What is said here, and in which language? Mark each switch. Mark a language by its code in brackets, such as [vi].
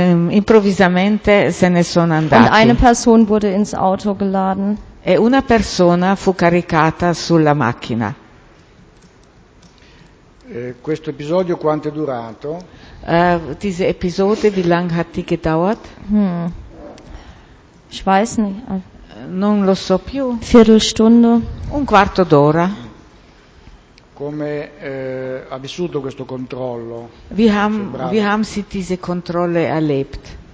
[it] Improvvisamente se ne sono andati. [de] Und eine Person wurde ins Auto geladen. [it] E una persona fu caricata sulla macchina. Questo episodio quanto è durato? [de] Diese Episode, wie lange hat die gedauert? Ich weiß nicht. [it] Non lo so più. [de] Viertelstunde. [it] Un quarto d'ora. Come ha vissuto questo controllo? [de] Wie haben Sie diese Kontrolle erlebt?